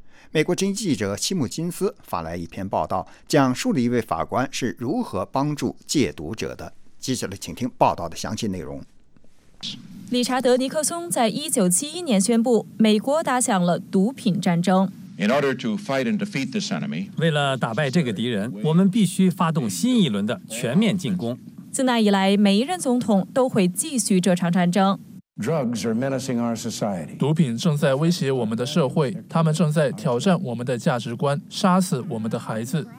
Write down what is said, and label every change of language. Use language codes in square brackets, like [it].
[zh] 美国之音记者西姆金斯发来一篇报道，讲述了一位法官是如何帮助戒毒者的。接下来请听报道的详细内容。理查德·尼克松在1971年宣布，美国打响了毒品战争。 [en] In order to fight and defeat this enemy, [zh] 为了打败这个敌人，我们必须发动新一轮的全面进攻。自那以来，每一任总统都会继续这场战争。 [en] Drugs are menacing our society. [zh] 毒品正在威胁我们的社会，他们正在挑战我们的价值观，杀死我们的孩子。